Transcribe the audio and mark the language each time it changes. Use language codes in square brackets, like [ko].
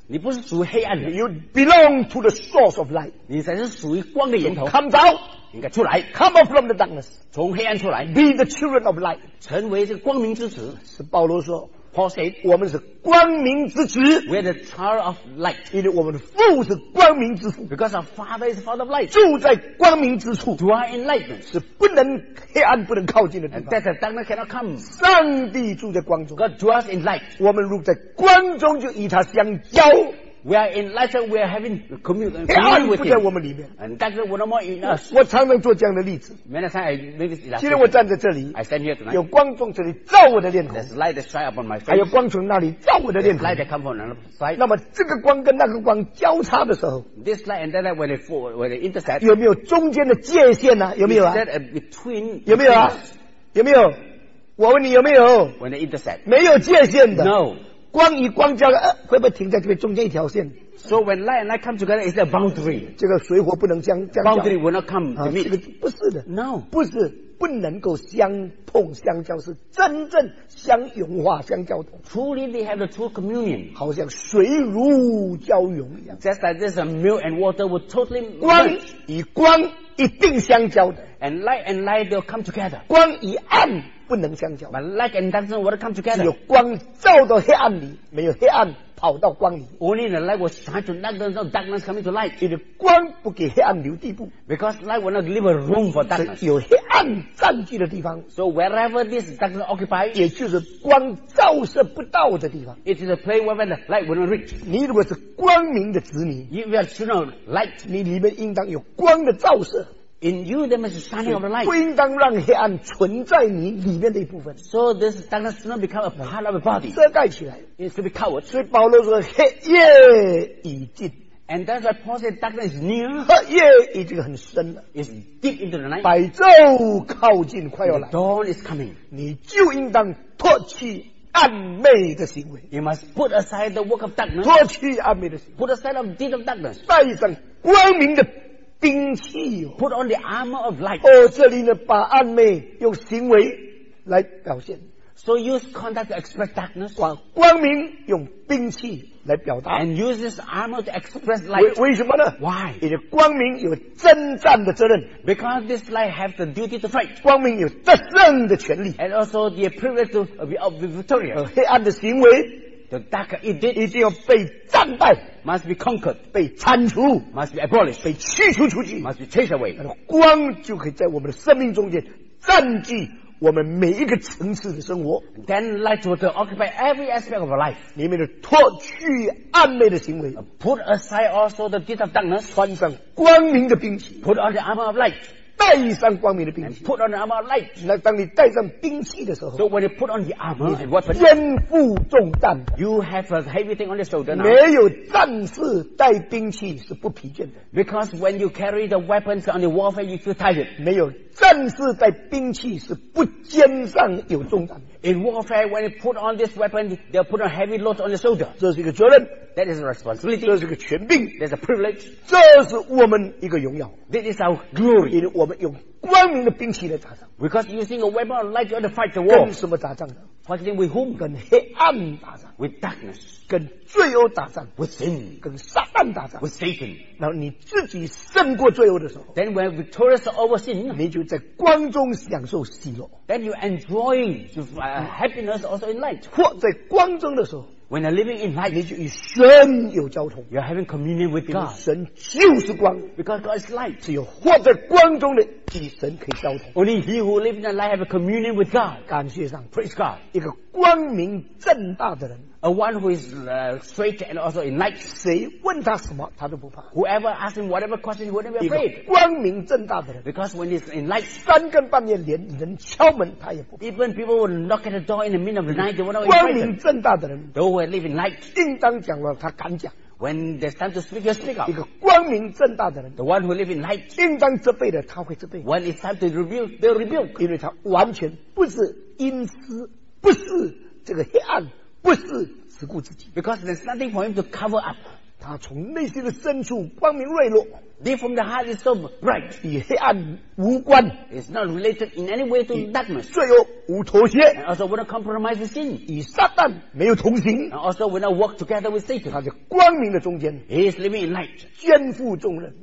[zh] 你不是属于黑暗的。 [en] You belong to the source of light. [zh] 你才是属于光的源头。 [en] So、come out. [zh] 应该出来。 [en] Come out from the darkness. [zh] 从黑暗出来。 [en] Be the children of light. [zh] 成为这个光明之子。是保罗说。 [en] Paul said, [zh] 我们是光明之子。 [en] We are the child of light. [zh] 因为我们的父是光明之父。 [en] Because our father is the father of light. [zh] 住在光明之处。 [en] Dwell in lightness. [zh] 是不能黑暗不能靠近的地方。 [en] That's a darkness cannot come. [zh] 上帝住在光中。 [en] God dwells in light. [zh] 我们如果在光中就与他相交。 [en] We are in light and we are having communion with him. [zh] 黑暗不在我们里面。 [en] And that's what we're not in us. [zh] 我常常做这样的例子。 [en] Many times I make this illustration. [zh] 今天我站在这里。 [en] I stand here tonight. [zh] 有光从这里照我的脸孔。 [en] There's light that shines upon my face. [zh] 还有光从那里照我的脸孔。 [en] There's light that comes from another side. [zh] 那么这个光跟那个光交叉的时候。 [en] This light and that when they intersect. [zh] 有没有中间的界限呢、啊、有没有啊 [en] Is that a between? [zh] 有没有啊有没有我问你有没有 [en] When they intersect. [zh] 没有界限的。 [en] No. [zh] 光与光交了、会不会停在这边中间一条线 [en] So when light and light come together it's a boundary [zh] 这个水火不能相交 [en] Boundary will not come to meet、 [zh] 这个、不是的 [en] No [zh] 不是不能够相碰相交是真正相融化相交通 [en] Truly they have the true communion [zh] 好像水乳交融一样 [en] Just like this a milk and water will totally merge [zh] 光与光一定相交的 [en] And light and light will come together [zh] 光与暗不能相交 [en] But light and darkness will come together [zh] 只有光照到黑暗里没有黑暗跑到光里 [en] Only the light will shine to darkness and darkness coming to light [zh] 因为光不给黑暗留地步 [en] Because light will not leave a room for darkness [zh] 有黑暗占据的地方 [en] So wherever this darkness occupies [zh] 也就是光照射不到的地方 [en] It is a place where the light will not reach [zh] 你如果是光明的子民 [en] You are children of light [zh] 你里面应当有光的照射 [en] In you, there must be shining of the light. [zh] 不应当让黑暗存在你里面的一部分。 [en] So this darkness does not become a part of the body. [zh] 遮盖起来。 [en] It's to be covered. [zh] 所以保罗说黑夜已近。 [en] And that's why Paul said darkness is near. [zh] 黑夜已经很深了。 [en] It's deep into the night. [zh] 白昼靠近快要来。 [en] The dawn is coming. [zh] 你就应当脱去暗昧的行为。 [en] You must put aside the work of darkness. [zh] 脱去暗昧的行为。 [en] Put aside the deed of darkness. [zh] 带上光明的兵器、 [en] Put on the armor of light. [zh] 哦，这里呢，把暗昧用行为来表现。 [en] So use conduct to express darkness. [zh] 把光明用兵器来表达。 [en] And use this armor to express light. [zh] 为什么呢 [en] ？Why? [zh] 因为光明有征战的责任。 [en] Because this light has the duty to fight. [zh] 光明有得胜的权利。 [en] And also the privilege to be of victorious. [zh] 黑暗的行为。 [en] The darker it did, [zh] 一定要被战败 [en] must be conquered, [zh] 被铲除 [en] must be abolished, [zh] 被驱逐出去 [en] must be chased away. [zh] 光就可以在我们的生命中间占据我们每一个层次的生活 [en] Then light will occupy every aspect of our life. [zh] 里面的脱去暗昧的行为 [en] Put aside also the deeds of darkness. [zh] 穿上光明的兵器 [en] Put on the armor of light. [zh] 戴上光明的兵器 [en] put on the armor of light. [zh] 那当你戴上兵器的时候 [en] So when you put on the armor [zh] 你肩负重担 [en] You have a heavy thing on your shoulder now. [zh] 没有战士戴兵器是不疲倦的 [en] Because when you carry the weapons on your warfare you feel tired [zh] 没有战士戴兵器是不肩上有重担 [en] In warfare when you put on this weapon they'll put a heavy load on your shoulder [zh] 这是一个责任 [en] That is a responsibility [zh] 这是一个权柄 [en] That's a privilege [zh] 这是我们一个荣耀 [en] This is our glory [zh] 因为我们用光明的兵器来打仗 [en] Because using a weapon of light you have to fight the war [zh] 跟什么打仗 [en] Fighting with whom [zh] 跟黑暗打仗 [en] With darkness [zh] 跟罪恶打仗 [en] With sin [zh] 跟撒旦打仗 [en] With Satan [zh] 然后你自己胜过罪恶的时候 [en] Then when victorious over sin [zh] 你就在光中享受喜乐 [en] Then you enjoy happiness also in light [zh] 或在光中的时候 [en] When you're living in light, [zh] 你就与神有交通。 [en] You're having communion with God. [zh] 神就是光。 [en] Because God is light. [zh] 只有活在光中的与神可以交通。 [en] Only he who lives in the light have a communion with God. [zh] 感谢上。 [en] Praise God. [zh] 一个光明正大的人。 [en] A one who is straight and also in light. [zh] 谁问他什么他都不怕。 [en] Whoever asks him whatever question, he wouldn't be afraid. [zh] 一个光明正大的人。 [en] Because when he's in light, [zh] 三更半夜连人敲门他也不怕。 [en] Even people will knock at the door in the middle of the night, they will not be afraid. [zh] 光明正大的人。 [en] Though we live in light. [zh] 应当讲了他敢讲。 [en] When there's time to speak, you speak out. [zh] 一个光明正大的人。 [en] The one who live in light. [zh] 应当责备的他会责备。 [en] When it's time to rebuke, they'll rebuke. [zh] 因为他完全不是阴私，不是这个黑暗。不是只顾自己 [en] Because there's nothing for him to cover up [zh] 他从内心的深处光明锐落 [en] Deep from the heart is so bright. [zh] 与黑暗无关。 [en] It's not related in any way to darkness. [zh] 罪恶无妥协。 [en] And also without compromise with sin. [zh] 与撒旦没有同行。 [en] And also without work together with Satan. [zh] 他在光明的中间。 [en] He is living in light. [zh] 肩负重任。